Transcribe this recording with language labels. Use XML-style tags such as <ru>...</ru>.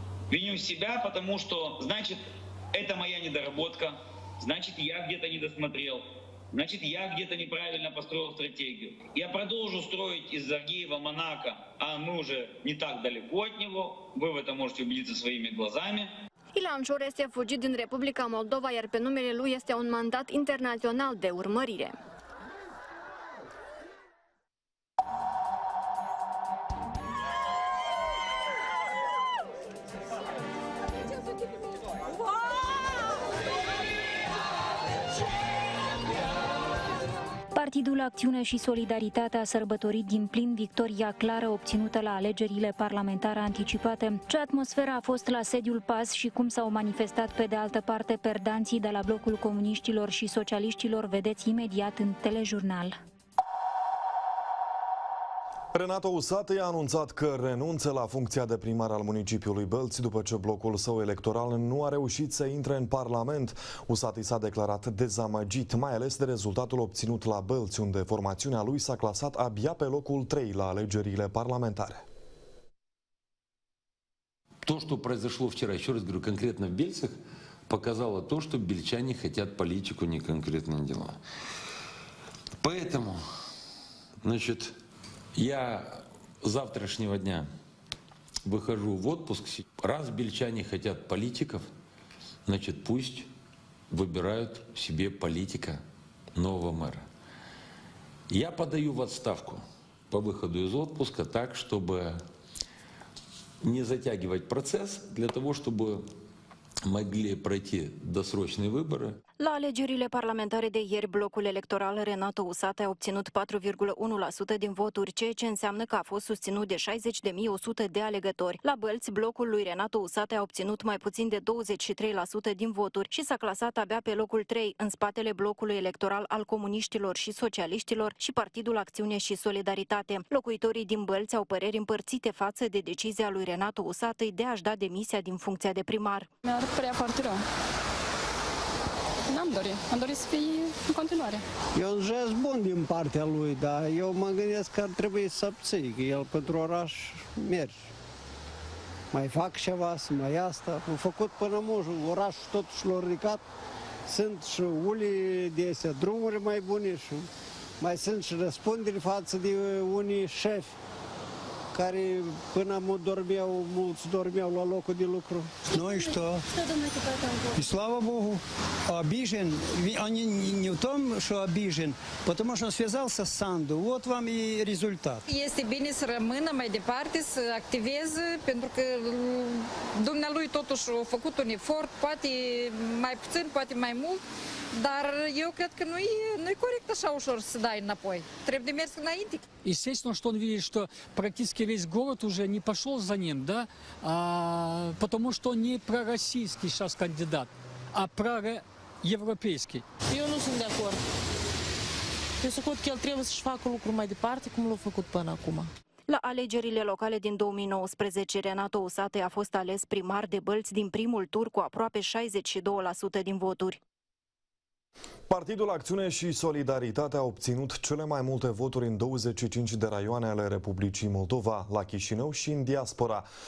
<ru>Виню себя, потому что, значит, это моя недоработка, значит, я где-то недосмотрел, значит, я где-то неправильно построил стратегию. Я продолжу строить из Зергиева Монако, а мы уже не так далеко от него, вы в этом можете убедиться своими глазами.</ru> <ro>Ilan Șor este fugit din Republica Moldova, iar pe numele lui este un mandat internațional de urmărire. Partidul Acțiune și Solidaritate a sărbătorit din plin victoria clară obținută la alegerile parlamentare anticipate. Ce atmosferă a fost la sediul PAS și cum s-au manifestat pe de altă parte perdanții de la Blocul Comuniștilor și Socialiștilor, vedeți imediat în telejurnal. Renato Usatăi a anunțat că renunță la funcția de primar al municipiului Bălți după ce blocul său electoral nu a reușit să intre în Parlament. Usatăi s-a declarat dezamăgit, mai ales de rezultatul obținut la Bălți, unde formațiunea lui s-a clasat abia pe locul 3 la alegerile parlamentare. To, ce a</ro> <ru>произошло вчера, еще раз говорю, конкретно в Бельцах, показало то, что бельчане хотят политику, не конкретные дела. Поэтому, значит, я завтрашнего дня выхожу в отпуск. Раз бельчане хотят политиков, значит, пусть выбирают себе политика нового мэра. Я подаю в отставку по выходу из отпуска так, чтобы не затягивать процесс, для того, чтобы могли пройти досрочные выборы.</ru> <ro>La alegerile parlamentare de ieri, blocul electoral Renato Usatăi a obținut 4,1% din voturi, ceea ce înseamnă că a fost susținut de 60.100 de alegători. La Bălți, blocul lui Renato Usatăi a obținut mai puțin de 23% din voturi și s-a clasat abia pe locul 3, în spatele blocului electoral al comuniștilor și socialiștilor și Partidul Acțiune și Solidaritate. Locuitorii din Bălți au păreri împărțite față de decizia lui Renato Usatăi de a-și da demisia din funcția de primar. Mi-ar părea foarte rău. Am dorit să fie în continuare. E un gest bun din partea lui, dar eu mă gândesc că ar trebui să abții, că el pentru oraș merge. Mai fac ceva, să mai asta. Am făcut până mușul, orașul totuși l-a ridicat. Sunt și ulii dese, drumuri mai bune și mai sunt și răspunderi față de unii șefi care până mulți dormeau la locul de lucru. Noi știu. Și slavă</ro> <ru>Богу, обижен, они не в том, что обижен, потому что он связался с Санду. Вот вам и результат.</ru> <ro>Este bine să rămână mai departe, să activeze, pentru că dumnealui totuși a făcut un efort, poate mai puțin, poate mai mult, dar eu cred că nu e corect așa ușor să dai înapoi. Trebuie de mers înainte.</ro> <ru>Естественно, что он видит, что практически весь город уже не пошел за ним, да, потому что он не пророссийский сейчас кандидат, а проевропейский.</ru> <ro>Eu nu sunt de acord. Eu sunt că el trebuie să-și facă lucruri mai departe, cum l-a făcut până acum. La alegerile locale din 2019, Renato Usatăi a fost ales primar de Bălți din primul tur cu aproape 62% din voturi. Partidul Acțiune și Solidaritate a obținut cele mai multe voturi în 25 de raioane ale Republicii Moldova, la Chișinău și în diaspora.</ro>